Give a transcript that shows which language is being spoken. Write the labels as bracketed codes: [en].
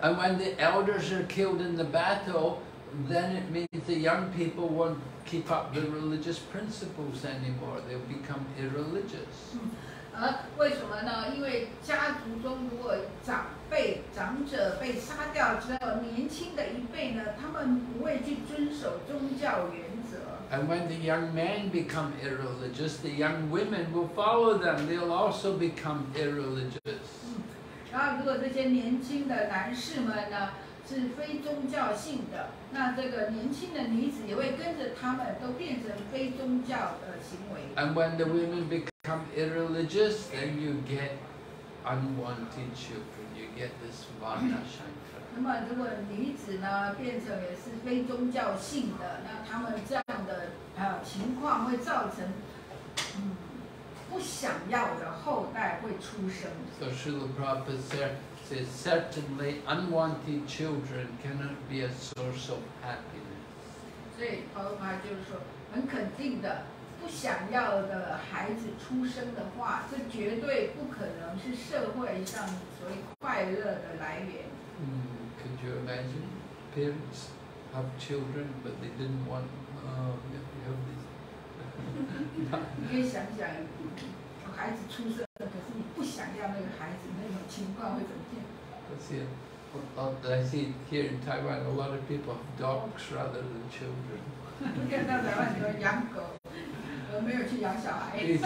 [en] And when the elders are killed in the battle, then it means the young people won't keep up the religious principles anymore. They'll become irreligious. [zh] 为什么呢？因为家族中如果长者被杀掉之后，年轻的一辈呢，他们不会去遵守宗教原则。 [en] And when the young men become irreligious, the young women will follow them. They'll also become irreligious. [zh] 然后如果这些年轻的男士们呢，是非宗教性的，那这个年轻的女子也会跟着他们都变成非宗教的行为。 [en] And when the women become irreligious, then you get unwanted children. You get this Varna Shankara. [zh] 那么如果女子呢变成也是非宗教性的，那他们这样的情况会造成不想要的后代会出生。 [en] So Srila Prabhupada says, certainly unwanted children cannot be a source of happiness. [zh] 所以他的话就是说很肯定的，不想要的孩子出生的话，这绝对不可能是社会上所谓快乐的来源。 [en] Could you imagine parents have children but they didn't want you have this? [zh] 你可以想想，孩子出生，可是你不想要那个孩子，那种情况会怎么样？ [en] I see here in Taiwan a lot of people have dogs rather than children. [zh] 看到台湾很多养狗，没有去养小孩。